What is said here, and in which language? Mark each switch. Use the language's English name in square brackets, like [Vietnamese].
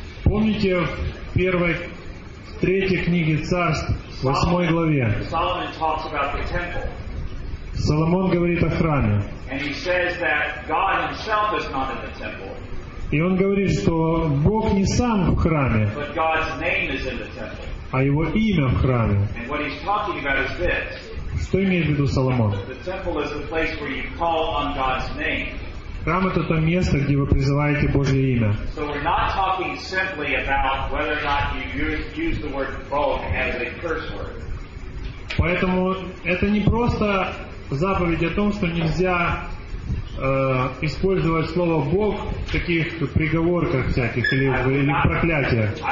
[Russian] помните в первой, в третьей книге Царств, в 8 главе, [English] Solomon talks about the temple. [Russian] Соломон говорит о храме. [English] And he says that God himself is not in the temple. [Russian] И он говорит, что Бог не сам в храме, [English] but God's name is in the temple. [Russian] А его имя в храме. [English] And what he's talking about is this. [Russian] Что имеет в виду Соломон? [English] The temple is the place where you call on God's name. [Russian] Храм — это то место, где вы призываете Божье имя. [English] So we're not talking simply about whether or not you use the word Bog as a curse word. [Russian] Поэтому это не просто заповедь о том, что нельзя использовать слово Бог в таких приговорках всяких или проклятиях.